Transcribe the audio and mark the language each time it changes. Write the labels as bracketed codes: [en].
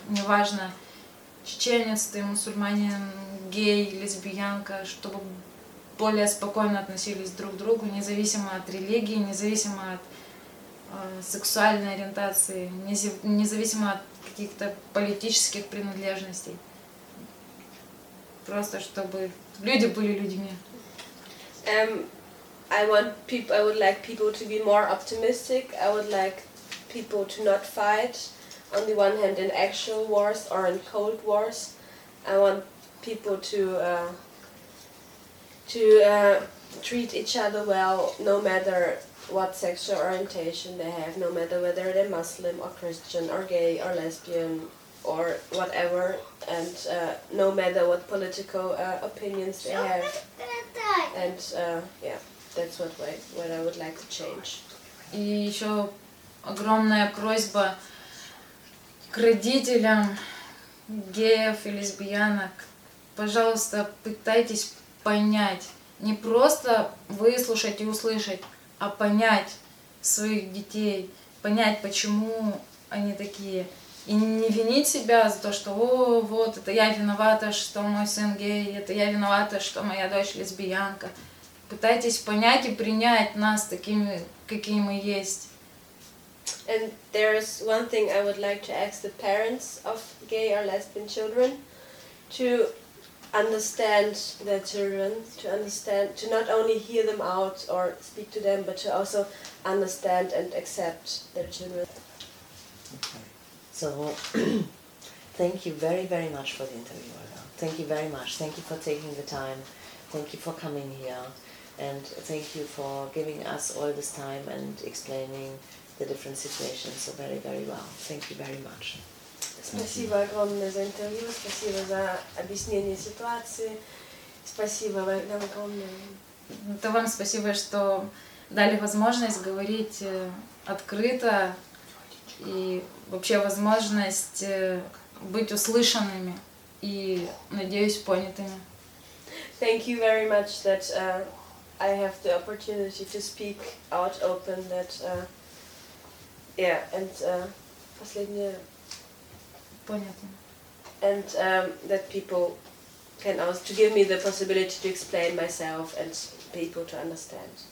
[ru] Неважно, чеченец ты, мусульманин, гей, лесбиянка, чтобы более спокойно относились друг к другу, независимо от религии, независимо от сексуальной ориентации, независимо от каких-то политических принадлежностей. Просто чтобы люди были людьми. [en] I would like people to be more optimistic. I would like people to not fight, on the one hand, in actual wars or in cold wars. I want people to treat each other well, no matter what sexual orientation they have, no matter whether they're Muslim or Christian or gay or lesbian or whatever, and no matter what political opinions they have. And that's what I would like to change. [ru] И еще огромная просьба к родителям геев и лесбиянок, пожалуйста, пытайтесь понять, не просто выслушать и услышать, а понять своих детей, понять, почему они такие. И не винить себя за то, что «О, вот, это я виновата, что мой сын гей, это я виновата, что моя дочь лесбиянка». Пытайтесь понять и принять нас такими, какие мы есть. [en] And there is one thing I would like to ask the parents of gay or lesbian children to understand their children, to understand, to not only hear them out or speak to them, but to also understand and accept their children. Okay. So, thank you very, very much for the interview, Olga. Thank you very much. Thank you for taking the time. Thank you for coming here. And thank you for giving us all this time and explaining the different situations so very, very well. Thank you very much. [ru] Спасибо огромное за интервью, спасибо за объяснение ситуации, спасибо вам огромное. Это вам спасибо, что дали возможность говорить открыто и вообще возможность быть услышанными и, надеюсь, понятыми. [en] Thank you very much that I have the opportunity to speak out open, that, [ru] последнее... Понятно. [en] And that people can also to give me the possibility to explain myself and people to understand.